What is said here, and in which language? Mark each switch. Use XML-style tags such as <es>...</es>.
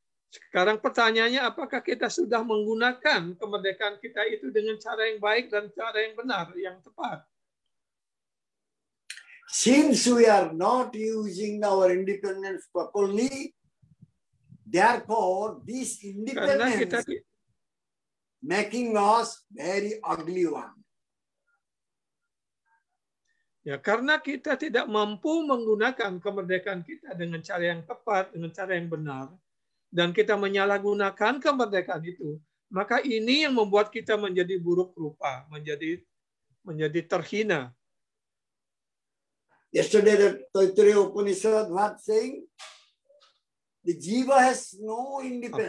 <id>Sekarang pertanyaannya, apakah kita sudah menggunakan kemerdekaan kita itu dengan cara yang baik dan cara yang benar, yang tepat?</id> <en>since we are not using our independence properly, therefore this independence</en> <id>kita...</id> <en>making us very ugly one.</en> <id>Ya, karena kita tidak mampu menggunakan kemerdekaan kita dengan cara yang tepat, dengan cara yang benar, dan kita menyalahgunakan kemerdekaan itu, maka ini yang membuat kita menjadi buruk rupa, menjadi terhina.</id> <en>Yesterday the Taittiriya Upanishad was saying the jiva has no independence.</en>